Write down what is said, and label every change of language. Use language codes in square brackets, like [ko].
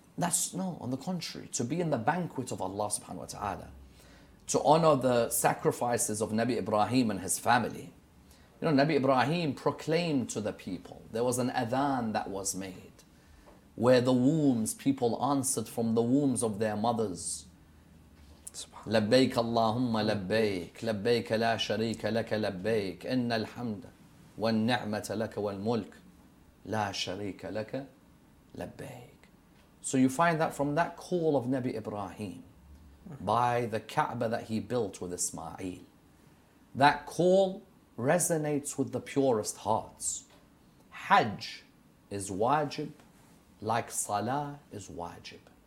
[en] That's no, on the contrary, to be in the banquet of Allah subhanahu wa ta'ala, to honor the sacrifices of Nabi Ibrahim and his family. You know, Nabi Ibrahim proclaimed to the people, there was an adhan that was made where the wombs, people answered from the wombs of their mothers. [ar] لبيك اللهم لبيك لبيك لا شريك لك لبيك إن الحمد والنعمة لك والملك لا شريك لك لبيك. [en] So you find that from that call of Nabi Ibrahim by the Kaaba that he built with Ismail, that call resonates with the purest hearts. Hajj is wajib like salah is wajib.